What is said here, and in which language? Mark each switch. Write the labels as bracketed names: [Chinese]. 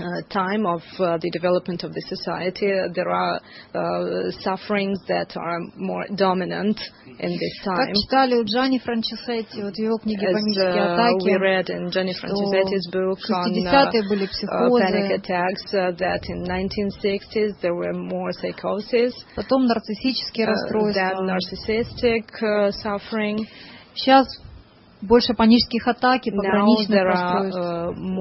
[English] Time of the development of the society, there are sufferings that are more dominant in this time. [Russian] Как читали у Джани Франческетти, вот его книги «Панические атаки», [English] we read in Gianni Francescetti's book on panic attacks, that in 1960s there were more psychoses. [Russian] Потом нарциссические расстройства. [English] Then narcissistic suffering. [Russian] Сейчас больше панических атак и пограничных